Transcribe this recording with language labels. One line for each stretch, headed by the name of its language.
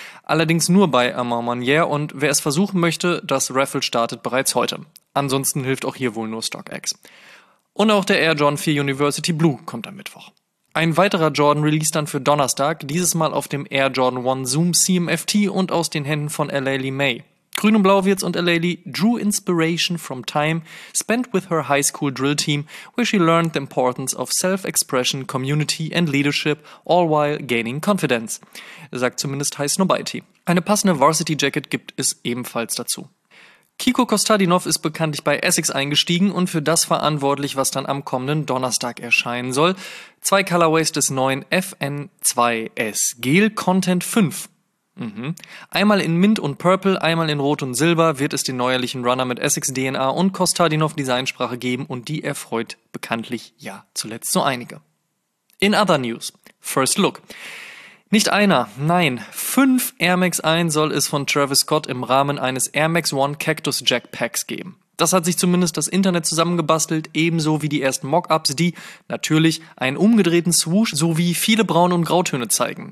German: Allerdings nur bei Armand Manier, und wer es versuchen möchte, das Raffle startet bereits heute. Ansonsten hilft auch hier wohl nur StockX. Und auch der Air Jordan 4 University Blue kommt am Mittwoch. Ein weiterer Jordan Release dann für Donnerstag, dieses Mal auf dem Air Jordan 1 Zoom CMFT und aus den Händen von Eleli May. Grün und Blau wird's, und
English: Eleli drew inspiration from time spent with her high school drill team, where she learned the importance of self-expression, community and leadership, all while gaining confidence,
German: sagt zumindest
English: High Snobiety.
German: Eine passende Varsity Jacket gibt es ebenfalls dazu. Kiko Kostadinov ist bekanntlich bei Essex eingestiegen und für das verantwortlich, was dann am kommenden Donnerstag erscheinen soll. 2 Colorways des neuen FN2S Gel Content 5. Einmal in Mint und Purple, einmal in Rot und Silber wird es den neuerlichen Runner mit Essex DNA und Kostadinov Designsprache geben, und die erfreut bekanntlich ja zuletzt so einige.
English: In other news, first look.
German: Nicht einer, nein, 5 Air Max 1 soll es von Travis Scott im Rahmen eines Air Max 1 Cactus Jack Packs geben. Das hat sich zumindest das Internet zusammengebastelt, ebenso wie die ersten Mockups, die natürlich einen umgedrehten Swoosh sowie viele Braun- und Grautöne zeigen.